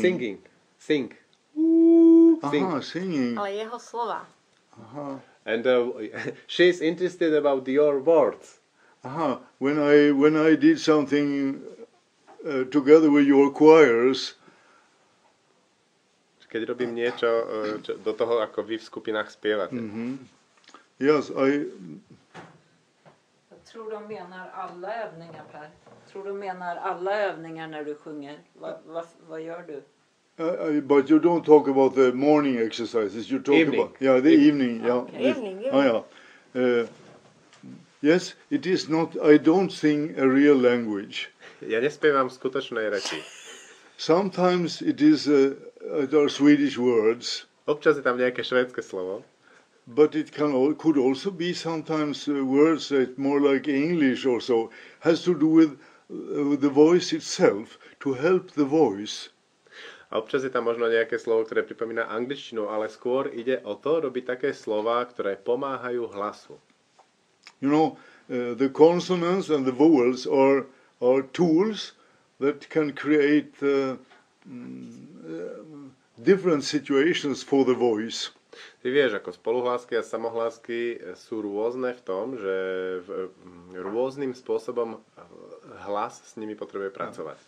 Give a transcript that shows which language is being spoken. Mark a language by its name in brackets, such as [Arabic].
[English] Singing. Think. Think. Aha, singing. [Slovak] Ale jeho slova. Aha. [English] And she's interested about your words. Aha, when I did something together with your choirs. [Slovak] Keď robím niečo čo, do toho, ako vy v skupinách spievate. [English] Mm-hmm. Yes, I... [Swedish] Tror de menar alla övningar, Per? Tror de menar alla övningar när du sjunger? Vad gör du? [English] But you don't talk about the morning exercises. You talk evening. About yeah, the evening. Yeah, okay. Evening. Oh, yeah. Yes, it is not. I don't sing a real language. [Slovak] Ja nespievam skutočné reči. [English] Sometimes it is there are Swedish words. [Slovak] Občas je tam nejaké švédske slovo. [English] But it can could also be sometimes words that more like English or so has to do with the voice itself to help the voice. [Slovak] A občas je tam možno nejaké slovo, ktoré pripomína angličtinu, ale skôr ide o to robiť také slova, ktoré pomáhajú hlasu. [English] You know, the consonants and the vowels are tools that can create different situations for the voice. [Slovak] Ty vieš, ako spoluhlásky a samohlásky sú rôzne v tom, že rôznym spôsobom hlas s nimi potrebuje pracovať.